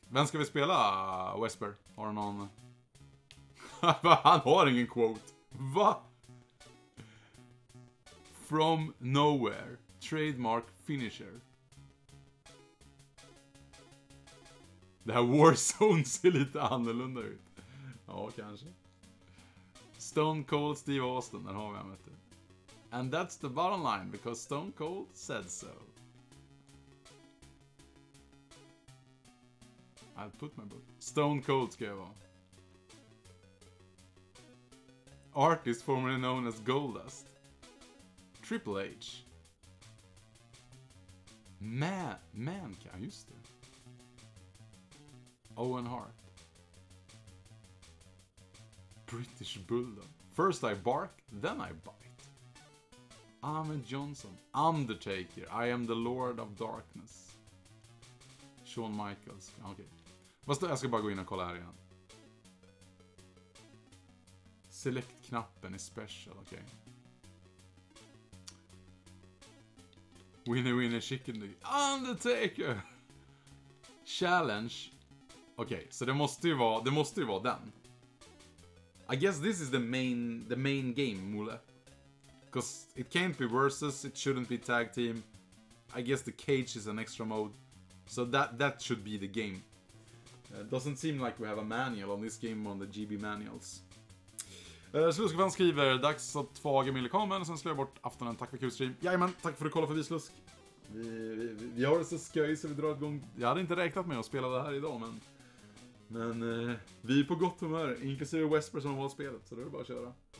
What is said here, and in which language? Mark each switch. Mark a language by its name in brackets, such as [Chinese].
[Swedish] Vem ska vi spela, Wesper? Har du någon... Han har ingen quote. Va? [English] From nowhere. Trademark finisher. [Swedish] Det här Warzone ser lite annorlunda ut. Ja, kanske. Stone Cold Steve Austin. Den har vi, han vet du. [English] And that's the bottom line. Because Stone Cold said so. I'll put my book. Stone Cold [Swedish] ska jag vara. [English] Artist formerly known as Goldust. Triple H. [Swedish] Man, just det. [English] Owen Hart. British Bulldog. First I bark, then I bite. Ahmed Johnson. Undertaker. I am the Lord of Darkness. Shawn Michaels. Okay. [Swedish] Jag ska bara gå in och kolla här igen. Select-knappen är special, okej. [English] Okay. Winner, winner, chicken, Undertaker! Challenge. [Swedish] Okej, okay, så det måste ju vara den. [English] I guess this is the main game, Mule. Because it can't be versus, it shouldn't be tag team. I guess the cage is an extra mode. So that should be the game. Doesn't seem like we have a manual on this game on the GB manuals. [Swedish] Sluskfan skriver, dags att faga mig i kameran och sen slår jag bort aftonen. Tack för Q-stream. Jajamän, tack för att du kollade förbi Slusk. Vi har det så sköj så vi drar igång. Jag hade inte räknat med att spela det här idag, men... Men vi är på gott humör, inklusive Wesper som har valt spelet. Så då är det bara att köra.